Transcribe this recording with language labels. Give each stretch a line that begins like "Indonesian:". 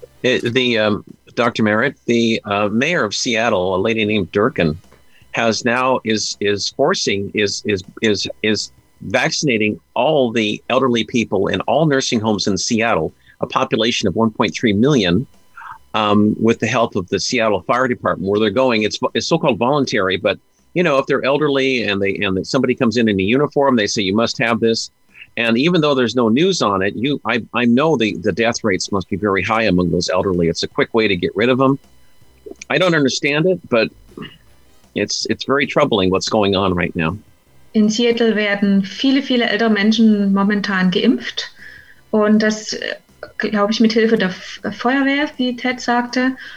English: Dr. Merritt, mayor of Seattle, a lady named Durkin, is vaccinating all the elderly people in all nursing homes in Seattle, a population of 1.3 million. With the help of the Seattle Fire Department, where they're going, it's so-called voluntary. But you know, if they're elderly and they and that somebody comes in a uniform, they say you must have this. And even though there's no news on it, I know the death rates must be very high among those elderly. It's a quick way to get rid of them. I don't understand it, but it's very troubling what's going on right now.
German: In Seattle werden viele viele ältere Menschen momentan geimpft, und das glaube ich, mit Hilfe der Feuerwehr, wie Ted sagte.